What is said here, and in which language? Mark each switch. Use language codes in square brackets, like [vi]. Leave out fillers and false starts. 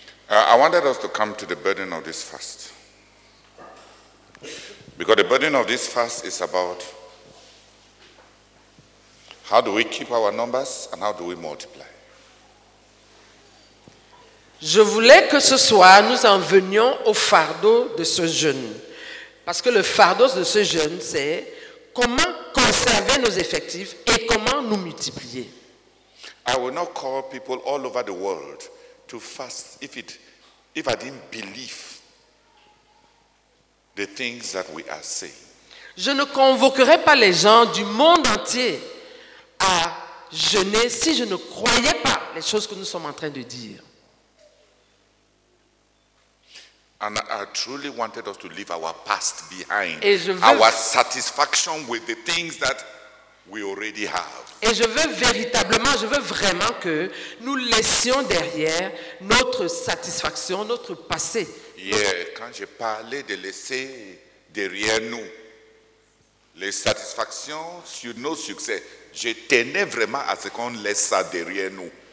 [en] I wanted us to come to the burden of this fast. Because the burden of this fast is about how do we keep our numbers and how do we multiply? [fr] Je voulais que ce soir nous en venions au fardeau de ce jeûne. Parce que le fardeau de ce jeûne, c'est comment conserver nos effectifs et comment nous multiplier. [en] I will not call people all over the world to fast if I didn't believe the things that we are saying. [fr] Je ne convoquerai pas les gens du monde entier à jeûner si je ne croyais pas les choses que nous sommes en train de dire. [en] And I truly wanted us to leave our past behind. [fr] Et je veux [en] our satisfaction with the things that we already have. [fr] Et je veux véritablement, je veux vraiment que nous laissions derrière notre satisfaction, notre passé. Yeah, quand j'ai parlé de laisser derrière nous les satisfactions sur nos succès, je tenais vraiment à ce qu'on laisse ça derrière nous.